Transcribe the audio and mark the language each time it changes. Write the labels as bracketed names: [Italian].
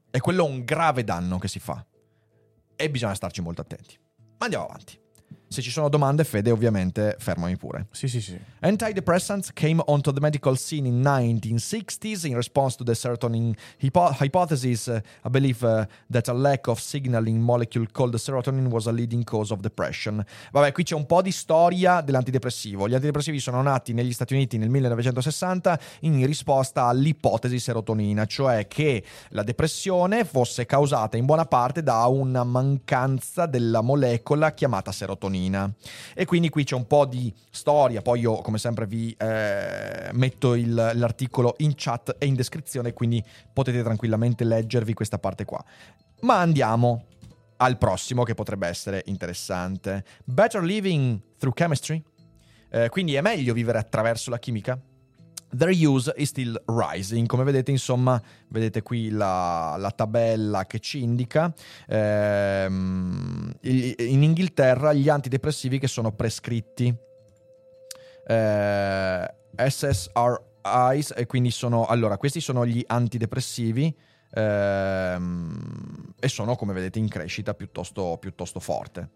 [Italian] E quello è un grave danno che si fa. E bisogna starci molto attenti. Ma andiamo avanti. Se ci sono domande, Fede, ovviamente, fermami pure. Sì, sì, sì. [English] Antidepressants came onto the medical scene in 1960s in response to the serotonin hypothesis, a belief that a lack of signaling molecule called serotonin was a leading cause of depression. [Italian] Vabbè, qui c'è un po' di storia dell'antidepressivo. Gli antidepressivi sono nati negli Stati Uniti nel 1960 in risposta all'ipotesi serotonina, cioè che la depressione fosse causata in buona parte da una mancanza della molecola chiamata serotonina. E quindi qui c'è un po' di storia, poi io come sempre vi metto l'articolo in chat e in descrizione, quindi potete tranquillamente leggervi questa parte qua. Ma andiamo al prossimo, che potrebbe essere interessante. [English] Better living through chemistry? [Italian] Quindi è meglio vivere attraverso la chimica? [English] Their use is still rising. [Italian] Come vedete, insomma, vedete qui la tabella che ci indica. In Inghilterra gli antidepressivi che sono prescritti. SSRIs, e quindi sono... Allora, questi sono gli antidepressivi. E sono, come vedete, in crescita piuttosto forte.